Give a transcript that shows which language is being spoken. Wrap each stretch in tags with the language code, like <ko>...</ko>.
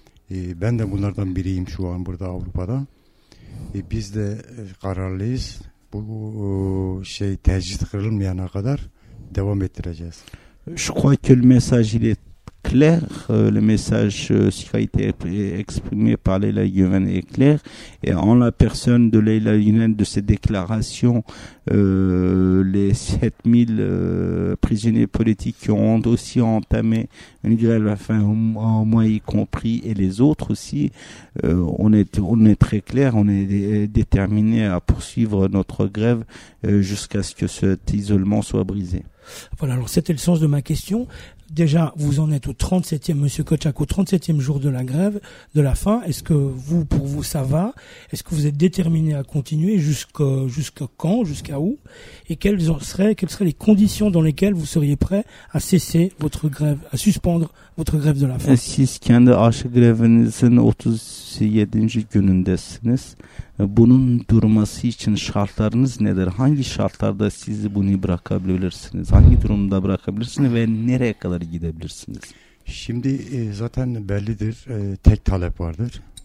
<tr>Ben de bunlardan biriyim şu an burada Avrupa'da. Biz de kararlıyız. Bu şey tecrit kırılmayana kadar devam ettireceğiz.</tr> <fr>Je crois que le message il est clair, le message ce qui a été exprimé par Leyla Guven est clair, et en la personne de Leyla Guven, de ses déclarations, les 7000 prisonniers politiques qui ont aussi entamé une grève, enfin au moins y compris, et les autres aussi, on est très clair, on est déterminé à poursuivre notre grève jusqu'à ce que cet isolement soit brisé. Voilà, alors c'était le sens de ma question. Déjà, vous en êtes au 37e, monsieur Kotchak, au 37e jour de la grève, de la faim. Est-ce que vous, pour vous, ça va? Est-ce que vous êtes déterminé à continuer jusqu'à quand, jusqu'à où? Et quelles seraient les conditions dans lesquelles vous seriez prêt à cesser votre grève, à suspendre votre grève de la faim?</fr> <tr>Siz kendi aşı grevinizin 37. günündesiniz. Bunun durması için şartlarınız nedir? Hangi şartlarda sizi bunu bırakabilirsiniz? Hangi durumda bırakabilirsiniz ve nereye kadar gidebilirsiniz? Şimdi zaten bellidir, tek talep vardır.</tr>